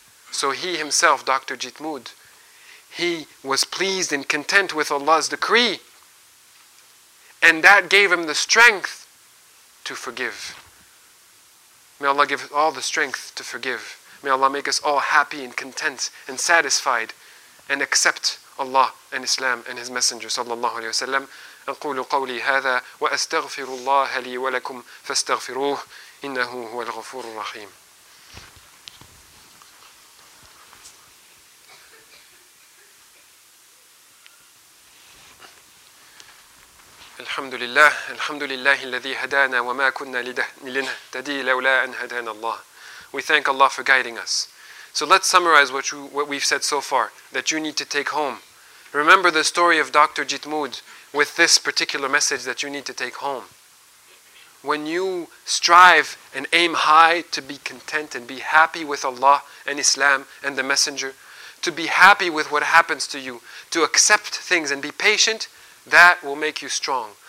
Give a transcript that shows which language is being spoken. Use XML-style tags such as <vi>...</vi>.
<en>So he himself, Dr. Jeetmood, he was pleased and content with Allah's decree, and that gave him the strength to forgive. May Allah give us all the strength to forgive. May Allah make us all happy and content and satisfied, and accept Allah and Islam and His Messenger, sallallahu alayhi wa sallam.</en> <ar>أقول قولي هذا وأستغفر الله لي ولكم فاستغفروه إنه هو الغفور الرحيم. الحمد لله الحمد لله الذي هدانا وما كنا لنهتدي لولا أن هدانا الله.</ar> <en>We thank Allah for guiding us. So let's summarize what we've said so far that you need to take home. Remember the story of Dr. Jeetmood with this particular message that you need to take home. When you strive and aim high to be content and be happy with Allah and Islam and the Messenger, to be happy with what happens to you, to accept things and be patient, that will make you strong.</en>